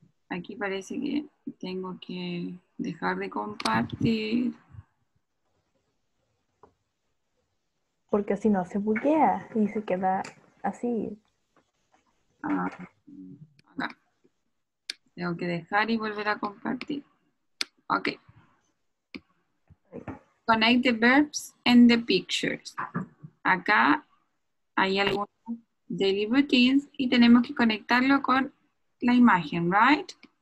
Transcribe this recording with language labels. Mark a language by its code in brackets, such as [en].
[es] Aquí parece que tengo que dejar de compartir. Porque si no se buguea y se queda así. Ah, acá. Tengo que dejar y volver a compartir. Ok. [en] Connect the verbs and the pictures. [es] Acá hay algunos daily routines y tenemos que conectarlo con la imagen, right?